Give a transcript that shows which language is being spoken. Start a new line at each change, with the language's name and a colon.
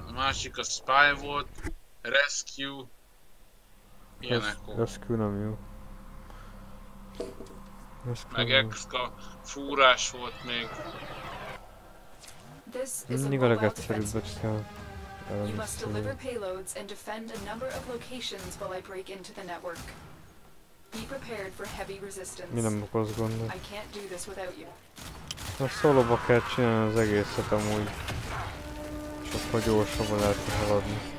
Hungarian: A másik a spy volt, rescue, ilyenek volt. Rescue nem jó. Rescue meg extra fúrás volt még. Mindig a legegyszerűbbet kell.
English: You must deliver payloads and defend a number of locations while I break into the network. Be prepared for heavy resistance.
Hungarian: Mi nem okoz gondot.
English: I can't do this without you.
Hungarian: A szólóba kell csinálni az egészet amúgy. Sokkal gyorsabban lehet haladni.